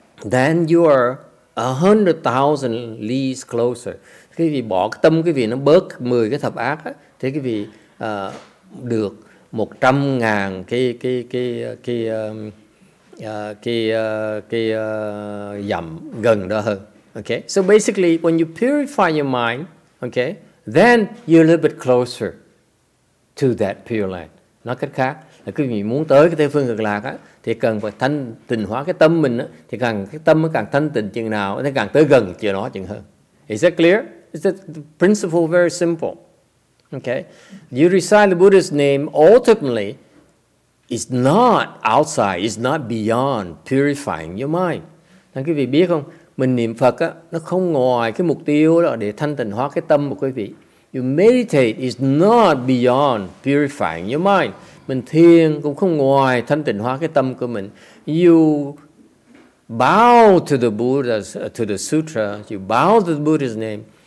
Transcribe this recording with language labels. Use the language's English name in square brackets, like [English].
[English] Then you are 100,000 leagues closer. [Vietnamese] Cái vị bỏ cái tâm quý vị nó bớt 10 cái thập ác á, thì cái vị được 100,000 cái dặm gần đó hơn. [English] Okay, so basically, when you purify your mind, okay, then you're a little bit closer to that pure land. [Vietnamese] Nói cách khác, là quý vị muốn tới cái Tây Phương Cực Lạc á, thì cần phải thanh tịnh hóa cái tâm mình á, thì càng cái tâm nó càng thanh tịnh chừng nào, nó càng tới gần chừng đó chừng hơn. [English] Is that clear? Is that the principle very simple? Okay, you recite the Buddha's name, ultimately, it's not outside, it's not beyond purifying your mind. [Vietnamese] Thưa quý vị biết không? Mình niệm Phật á, nó không ngoài cái mục tiêu đó để thanh tịnh hóa cái tâm của quý vị. [English] You meditate is not beyond purifying your mind. [Vietnamese] Mình thiền cũng không ngoài thanh tịnh hóa cái tâm của mình. [English] You bow to the Buddha, to the sutra, you bow to the Buddha's name.